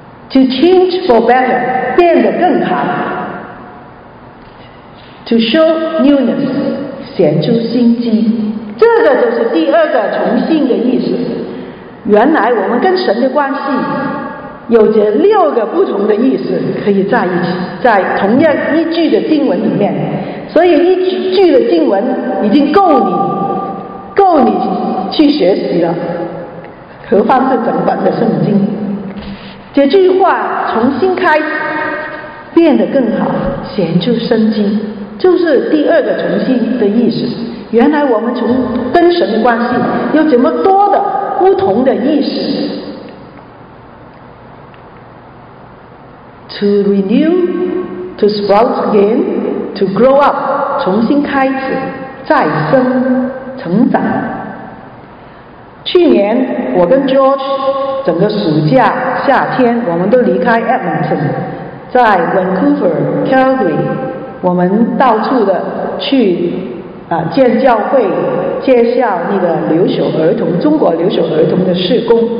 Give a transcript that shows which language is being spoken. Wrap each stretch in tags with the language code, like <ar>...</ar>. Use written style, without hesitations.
<en>To change for better，</en> <zh>变得更好。</zh> <en>To show newness，</en> <zh>显出新机。这个就是第二个重新的意思。原来我们跟神的关系有着六个不同的意思，可以在一起，在同样一句的经文里面。所以一句的经文已经够你去学习了，何况是整本的圣经。这句话重新开始，变得更好，显出生机，就是第二个重新的意思。原来我们从跟神的关系有这么多的不同的意思。</zh> <en>To renew, to sprout again, to grow up,</en> <zh>重新开始，再生，成长。去年我跟 George 整个暑假夏天我们都离开 Edmonton， 在 Vancouver, Calgary， 我们到处的去建教会，介绍那个留守儿童，中国留守儿童的事工。</zh>